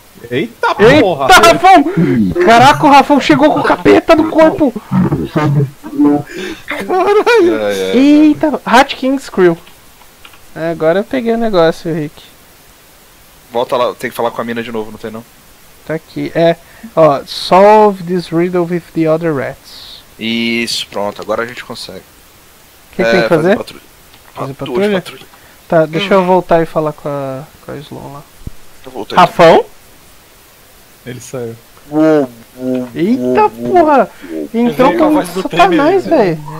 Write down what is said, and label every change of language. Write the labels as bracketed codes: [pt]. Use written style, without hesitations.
[pt] Eita porra! Eita, Rafão! Caraca, o Rafão chegou com o capeta no corpo! Caralho! [en] Eita! Hat King Screw. [pt] É, agora eu peguei o negócio, Rick. Volta lá, tem que falar com a mina de novo, não tem não? Tá aqui, é. [en] Ó, solve this riddle with the other rats. [pt] Isso, pronto, agora a gente consegue. O que tem que fazer? Fazer patrulha. Tá, deixa eu voltar e falar com a Sloan lá. Voltei. Rafão? Ele saiu. Eita porra! Entrou com o Satanás, velho.